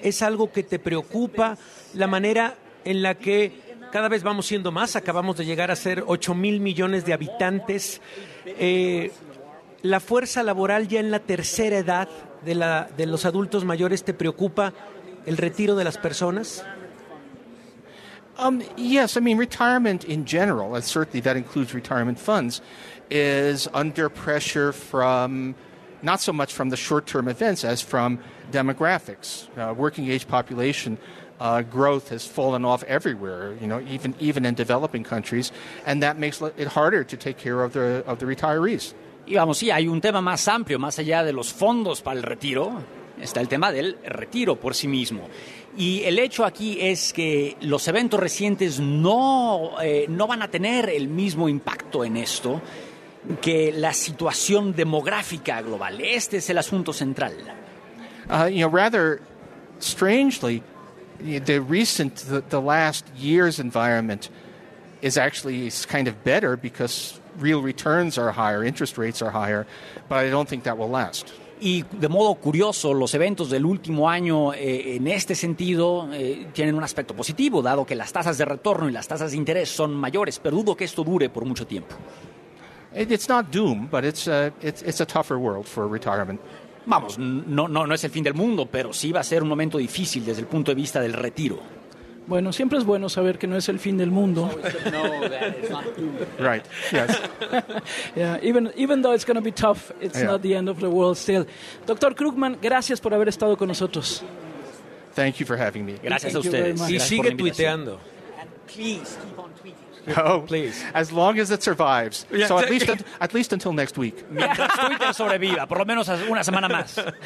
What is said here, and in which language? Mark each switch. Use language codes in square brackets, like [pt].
[es] ¿Es algo que te preocupa la manera en la que cada vez vamos siendo más? Acabamos de llegar a ser 8,000 millones de habitantes. La fuerza laboral ya en la tercera edad de los adultos mayores, ¿te preocupa el retiro de las personas? [en] Yes, I mean, retirement in general, and certainly that includes retirement funds, is under pressure from, not so much from the short-term events as from demographics, working age population. Growth has fallen off everywhere, you know, even in developing countries, and that makes it harder to take care of the retirees. [es] Y vamos, sí, hay un tema más amplio, más allá de los fondos para el retiro, está el tema del retiro por sí mismo. Y el hecho aquí es que los eventos recientes no van a tener el mismo impacto en esto que la situación demográfica global. Este es el asunto central. [en] Rather strangely, The last year's environment is actually kind of better because real returns are higher, interest rates are higher, but I don't think that will last. [es] Y de modo curioso, los eventos del último año en este sentido tienen un aspecto positivo, dado que las tasas de retorno y las tasas de interés son mayores, pero dudo que esto dure por mucho tiempo. [en] It's not doom, but it's a tougher world for retirement. [es] Vamos, no es el fin del mundo, pero sí va a ser un momento difícil desde el punto de vista del retiro. Bueno, siempre es bueno saber que no es el fin del mundo. [en] Right. Yes. Yeah. Even though it's going to be tough, it's not the end of the world still. [es] Doctor Krugman, gracias por haber estado con nosotros. [en] Thank you for having me. [es] Gracias a ustedes. Y sigue tuiteando. [en] Please keep on tweeting. Oh, please. As long as it survives. Yeah. So at least until next week. [es] Mientras Twitter sobreviva, por lo menos una semana más.